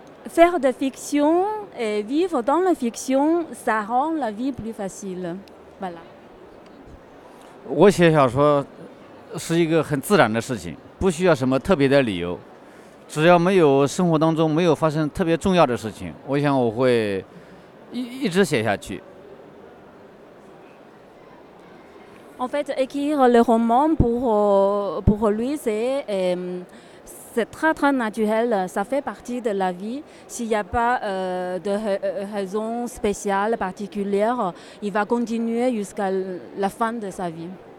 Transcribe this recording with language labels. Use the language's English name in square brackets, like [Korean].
[French] faire de fiction et vivre dans la fiction, ça rend la vie plus facile. Voilà. [Chinese] 我写小说是一个很自然的事情，不需要什么特别的理由，只要没有生活当中没有发生特别重要的事情，我想我会一直写下去。 [French] En fait, écrire le roman pour lui, c'est très très naturel. Ça fait partie de la vie. S'il n'y a pas de raison spéciale, particulière, il va continuer jusqu'à la fin de sa vie.